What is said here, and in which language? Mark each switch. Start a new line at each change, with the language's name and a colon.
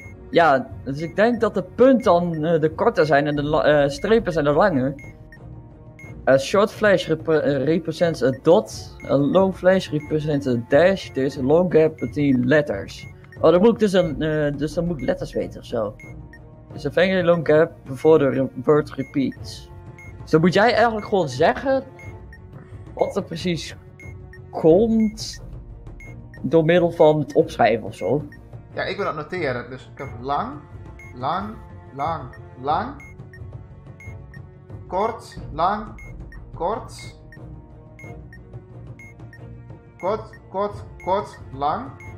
Dutch: Ja, dus ik denk dat de punt dan de korte zijn en de strepen zijn de lange.
English: A short flash represents a dot. A long flash represents a dash. There is a long gap between letters.
Dutch: Oh, dan moet ik dus dan moet ik letters weten ofzo.
English: There's a very long gap before the word repeats.
Dutch: Dus dan moet jij eigenlijk gewoon zeggen wat er precies komt door middel van het opschrijven ofzo. Ja, ik wil dat noteren. Dus ik heb lang, lang, lang, lang, kort, lang, kort, kort, kort, kort, lang,